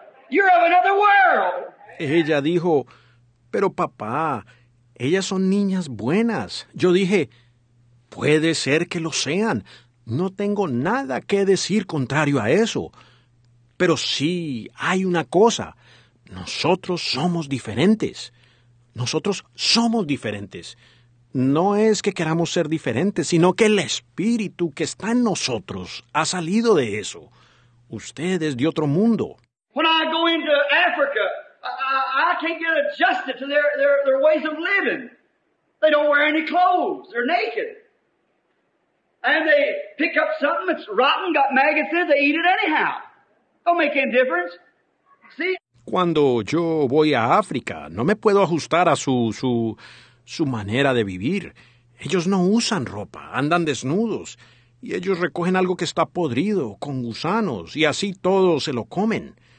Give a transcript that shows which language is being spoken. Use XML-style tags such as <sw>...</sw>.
<en>You're of another world.</en> <es>Ella dijo, pero papá, ellas son niñas buenas. Yo dije, puede ser que lo sean. No tengo nada que decir contrario a eso. Pero sí, hay una cosa. Nosotros somos diferentes. Nosotros somos diferentes. No es que queramos ser diferentes, sino que el espíritu que está en nosotros ha salido de eso. Usted es de otro mundo. Cuando voy a África,</es> <en>I can't get adjusted to their ways of living. They don't wear any clothes. They're naked. And they pick up something that's rotten, got maggots in it, they eat it anyhow. Don't make any difference. See?</en> <es>Cuando yo voy a África, no me puedo ajustar a su manera de vivir. Ellos no usan ropa, andan desnudos. Y ellos recogen algo que está podrido, con gusanos, y así todo se lo comen.</es>